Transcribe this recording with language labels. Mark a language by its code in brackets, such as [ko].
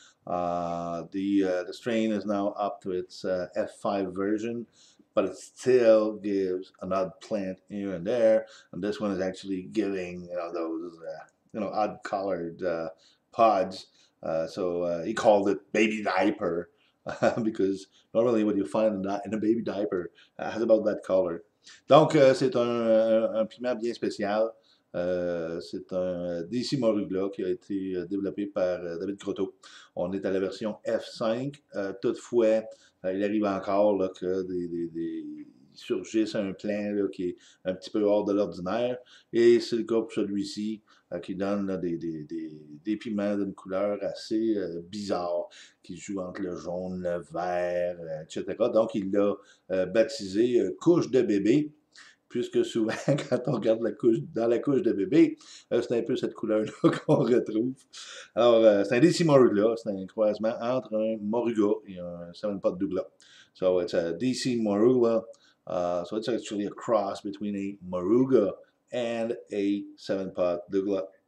[en] The strain is now up to its F5 version, but it still gives an odd plant here and there, and this one is actually giving those odd colored pods. He called it baby diaper because normally what you find in a baby diaper has about that color. [fr] Donc c'est un piment bien spécial. C'est un DC Moruglah qui a été développé par David Croteau. On est à la version F5. Toutefois, il arrive encore là, que des surgissent un plant là, qui est un petit peu hors de l'ordinaire. Et c'est le cas pour celui-ci qui donne là, des piments d'une couleur assez bizarre qui joue entre le jaune, le vert, etc. Donc, il l'a baptisé couche de bébé. Puisque souvent, quand on regarde dans la couche de bébé, c'est un peu cette couleur-là qu'on retrouve. Alors, c'est un DC Moruglah, c'est un croisement entre un Moruga et un Seven Pot Douglas. [en] So, it's a DC Moruglah. So, it's actually a cross between a Moruga and a Seven Pot Douglas.